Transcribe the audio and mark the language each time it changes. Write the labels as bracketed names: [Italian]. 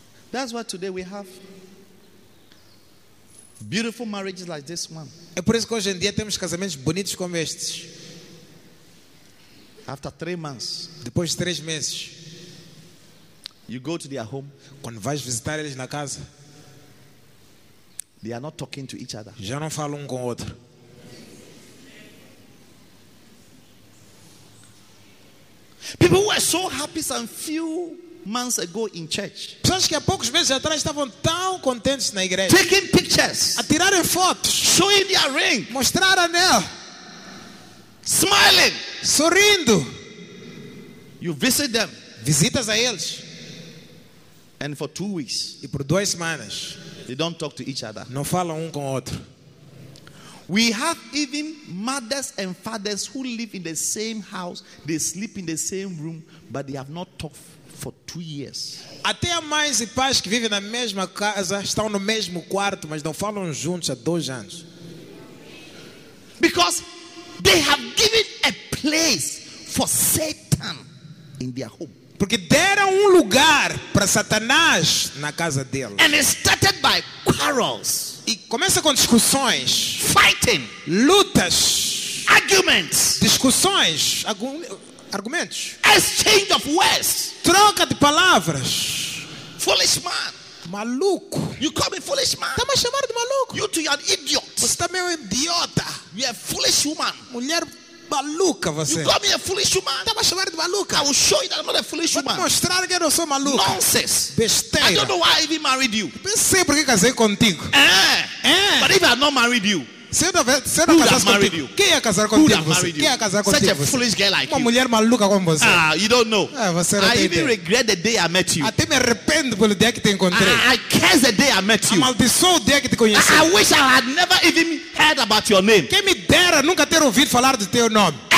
[English] That's why today we have beautiful marriages like this one. [Portuguese] É por isso que hoje em dia temos casamentos bonitos como estes. [English] After 3 months. [Portuguese] Depois de 3 meses. [English] You go to their home. [Portuguese] Quando vais visitar eles na casa. [English] They are not talking to each other. [Portuguese] Já não falam com o outro. [English] People were so happy some few months ago in church. [Portuguese] Pessoas que há poucos meses atrás estavam tão contentes na igreja. [English] Taking pictures. [Portuguese] A tirar fotos. [English] Showing their ring. [Portuguese] Mostrar anel. [English] Smiling. [Portuguese] Sorrindo. [English] You visit them. [Portuguese] Visitas a eles. [English] And for 2 weeks. [Portuguese] E por 2 semanas. [English] They don't talk to each other. [Portuguese] Não falam com o outro. [English] We have even mothers and fathers who live in the same house. They sleep in the same room, but they have not talked for 2 years. [Portuguese] Até mães e pais que vivem na mesma casa estão no mesmo quarto, mas não falam juntos há 2 anos. [English] Because they have given a place for Satan in their home. [Portuguese] Porque deram lugar para Satanás na casa dele. [English] And it started by quarrels. [Portuguese] E começa com discussões, [English] fighting, [Portuguese] lutas, [English] arguments, [Portuguese] discussões, argumentos, [English] exchange of words, [Portuguese] troca de palavras. [English] Foolish man, [Portuguese] maluco. [English] You call me foolish man. [Portuguese] Tá me chamando de maluco. [English] You too, you're an idiot. [Portuguese] Você também é um idiota. [English] You are a foolish woman. [Portuguese] Mulher maluca você. [English] You call me a foolish woman. [Portuguese] Tá me chamando de maluca. [English] I will show you that I'm not a foolish woman. [Portuguese] Vou mostrar que eu não sou maluco. [English] Nonsense. [Portuguese] Besteira. [English] I don't know why I even married you. [Portuguese] Pensei por que casei contigo. [English] But if I had not married you. [Portuguese] Se eu não casasse contigo, quem ia casar contigo? Quem ia casar contigo? [English] Such a foolish girl like [Portuguese] uma mulher maluca como você. [English] Ah, you don't know. [Portuguese] Ah, você não [English] I even [Portuguese] ideia. [English] Regret the day I met you. [Portuguese] Até me arrependo pelo dia que te encontrei. [English] I curse the day I met you. [Portuguese] Amaldiçoou o dia que te conheci. [English] I wish I had never even heard about your name. [Portuguese] Quem me dera nunca ter ouvido falar do teu nome.